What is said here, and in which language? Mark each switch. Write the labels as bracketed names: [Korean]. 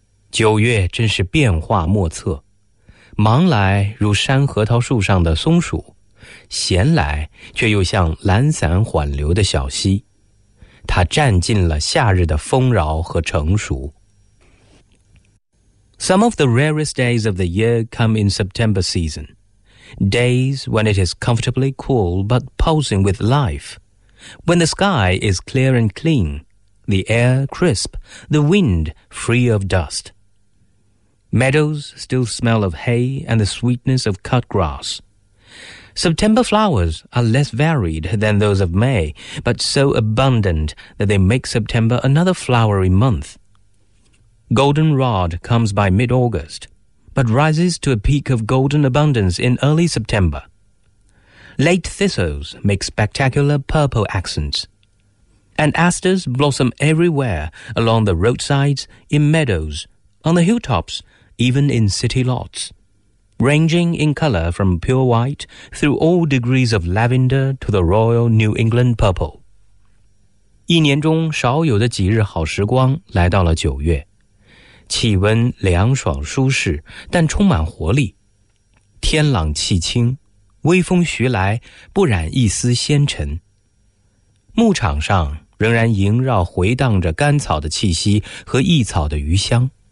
[Chinese] 九月真是变化莫测，忙来如山核桃树上的松鼠，闲来却又像懒散缓流的小溪，它占尽了夏日的丰饶和成熟。 [English] Some of the rarest days of the year come in September season, days when it is comfortably cool but pulsing with life, when the sky is clear and clean, the air crisp, the wind free of dust. Meadows still smell of hay and the sweetness of cut grass. September flowers are less varied than those of May, but so abundant that they make September another flowery month. Goldenrod comes by mid-August, but rises to a peak of golden abundance in early September. Late thistles make spectacular purple accents, and asters blossom everywhere along the roadsides, in meadows, on the hilltops, even in city lots, ranging in color from pure white through all degrees of lavender to the royal New England purple. [Chinese] 一年中少有的几日好时光来到了九月。气温凉爽舒适，但充满活力。天朗气清，微风徐来，不染一丝纤尘。牧场上仍然萦绕回荡着甘草的气息和异草的余香。